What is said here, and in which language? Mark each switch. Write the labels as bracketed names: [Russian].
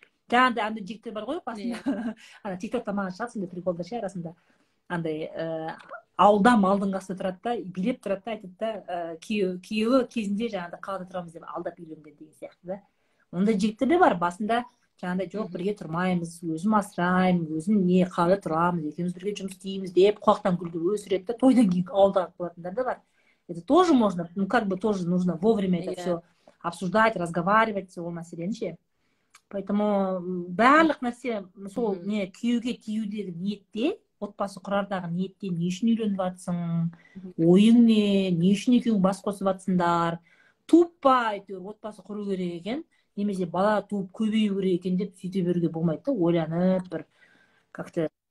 [Kazakh] Жаңағыдай андай жігіттер бар ғой басында, ана тиктокта маған шығады сондай приколдар ше, арасында андай ауылда малдың қасында тұрады да, билеп тұрады да, айтады да, күйеуі кезінде жаңағыдай қалада тұрамыз деп алдап үйленген деген сияқты да. Ондай жігіттер де бар басында, жаңағыдай жоқ бірге тұрмаймыз, өзім асыраймын, өзім не қалада тұрамыз, екеуміз бірге жұмыс істейміз деп құлақтан күлгіп өсіреді да, тойдан кейін ауылда қалатындар да бар. [Russian] Это тоже можно, ну как бы тоже нужно вовремя это все обсуждать, разговаривать, [Kazakh] ол мәселені ше. Поэтому барлық нәрсе сол не күйеуге тиюдегі ниетте, отбасы құрардағы ниетте, не үшін үйленіп жатсың, ойың не үшін екеуің бас қосып жатсыңдар, тупо әйтеуір отбасы құру керек екен, немесе бала туып көбею керек екен деп сөйте беруге болмайды да, ойланып бір как то